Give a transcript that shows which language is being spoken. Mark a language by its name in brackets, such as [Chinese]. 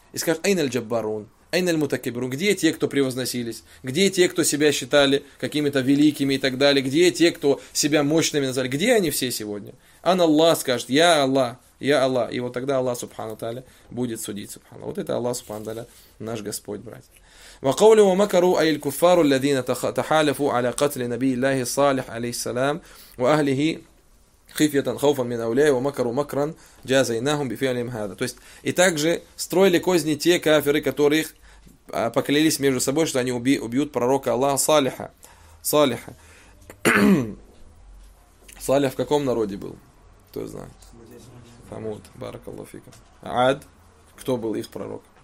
[Russian] И скажет, [Arabic] айналь джаббарун, айналь мутакибрун, [Russian] где те, кто превозносились, где те, кто себя считали какими-то великими и так далее, где те, кто себя мощными назвали, где они все сегодня? Ан Аллах скажет, я Аллах. Я Аллах. И вот тогда Аллах Субхану Таля будет судить Субхану. Вот это Аллах Субхану Таля, наш Господь, братья. [Arabic] وقوله ومكروا أي الكفار الذين تحالفوا على قتل نبي الله صالح عليه السلام وأهله خفية خوفا من أولياء ومكروا مكرا جازيناهم بفعلهم هذا. [Russian] То есть и также строили козни те кафиры, которых поклялись между собой, что они убьют пророка Аллаха Салиха. Салиха. Салих в каком народе был? Кто знает? Самуд. Баракаллаху фикум. Ад. Кто был их пророк?